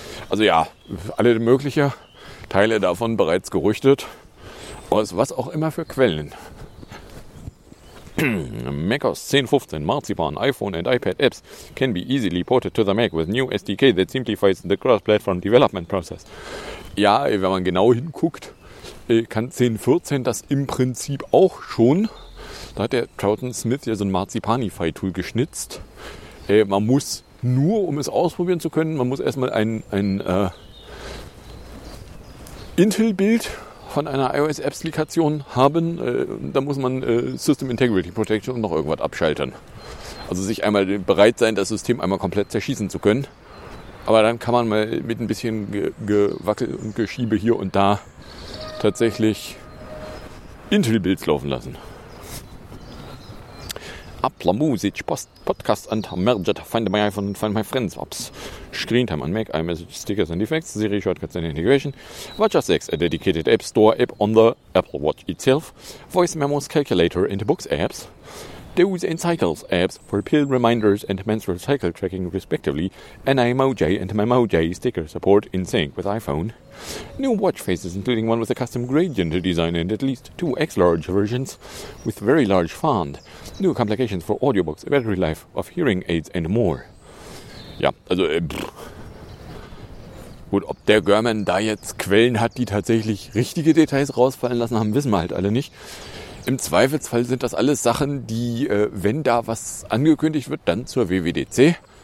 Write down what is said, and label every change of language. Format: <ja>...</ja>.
<de>Also ja, alle mögliche Teile davon bereits gerüchtet, aus was auch immer für Quellen.</de> <en>macOS 10.15 Marzipan iPhone and iPad apps can be easily ported to the Mac with new SDK that simplifies the cross-platform development process.</en> <de>Ja, wenn man genau hinguckt, kann 10.14 das im Prinzip auch schon. Da hat der Troughton Smith ja so ein Marzipanify-Tool geschnitzt. Man muss nur, um es ausprobieren zu können, man muss erstmal ein Intel-Bild von einer iOS-Applikation haben, da muss man System Integrity Protection und noch irgendwas abschalten. Also sich einmal bereit sein, das System einmal komplett zerschießen zu können. Aber dann kann man mal mit ein bisschen Gewackel und Geschiebe hier und da tatsächlich Intel-Builds laufen lassen.</de> <en>Apple Music Podcast and Merged Find My iPhone and Find My Friends Apps. Screen Time on Mac, iMessage, Stickers and Effects, Siri Shortcuts and Integration, WatchOS 6, a dedicated App Store app on the Apple Watch itself, Voice Memos, Calculator and Books Apps, Those and Cycles apps for pill reminders and menstrual cycle tracking respectively, and NIMOJ and MIMOJ sticker support in sync with iPhone. New watch faces, including one with a custom gradient design and at least two X-large versions with very large font. New complications for audiobooks, battery life of hearing aids and more.</en> <de>Ja, also, gut, ob der German da jetzt Quellen hat, die tatsächlich richtige Details rausfallen lassen haben, wissen wir halt alle nicht. Im Zweifelsfall sind das alles Sachen, die, wenn da was angekündigt wird, dann zur WWDC.</de>